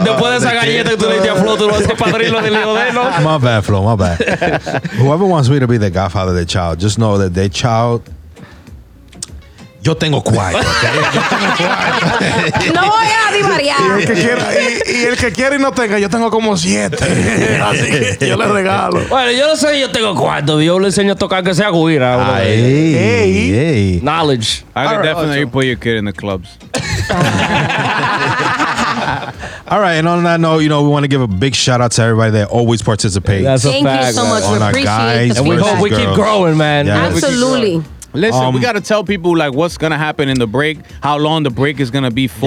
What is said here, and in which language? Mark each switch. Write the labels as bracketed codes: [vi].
[es] Después de esa galleta que tú le dices a Flo, tú vas a padrino del hijo de él, ¿no? [en] My bad, Flo, my bad. Whoever wants me to be the godfather of the child, just know that their child... [es] Yo tengo cuatro. No voy a divariar. Y el que quiere y no tenga, yo tengo como siete. Así que yo le regalo. Bueno, yo no sé, yo tengo cuatro. Yo le enseño a tocar que sea guira. Hey. [en] Knowledge. I could definitely put your kid in the clubs. All right, and on that note, you know, we want to give a big shout out to everybody that always participates. That's a thank fact. Thank you so much. We appreciate guys, and we hope we keep growing, man. Yes. Absolutely. Listen, we got to tell people, like, what's going to happen in the break, how long the break is going to be for.